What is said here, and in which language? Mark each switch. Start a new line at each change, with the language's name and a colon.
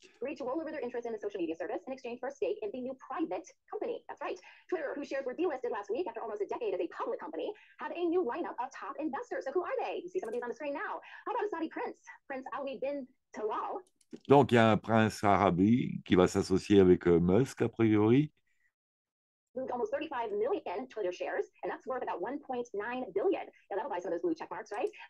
English: Reach roll over their interest in the social media service in exchange for a stake in the new private company. That's right. Twitter, whose shares were delisted last week after almost a decade as a public company, had a new lineup of top investors. So who are they? You see some of these on the screen now. How about a Saudi prince? Prince Ali bin Talal.
French: Donc, il y a un prince arabe qui va s'associer avec Musk, a priori.
English: Almost 35 million Twitter shares, and that's worth about 1.9 billion. Now, that'll buy some of those blue check marks, right?